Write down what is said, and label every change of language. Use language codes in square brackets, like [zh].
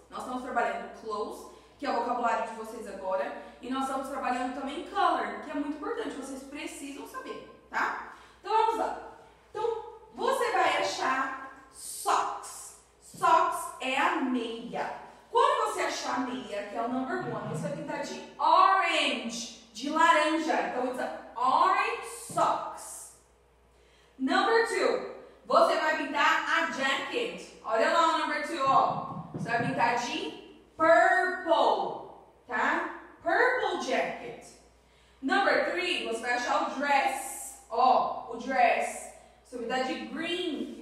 [pt] Nós estamos trabalhando clothes, que é o vocabulário de vocês agora, e nós estamos trabalhando também color, que é muito importante, vocês precisam saber, tá? Então vamos lá. Então, você vai achar socks. Socks é a meia. Quando você achar a meia, que é o [en] number one, [pt] você vai pintar de orange, de laranja. [en] Então, it's a orange socks. Number two, [pt] você vai pintar a jacket. Olha lá o [en] number two, [pt] ó. Você vai pintar de purple, tá? [en] Purple jacket. Number three, [pt] você vai achar o dress. Ó, o dress. Você vai pintar de green.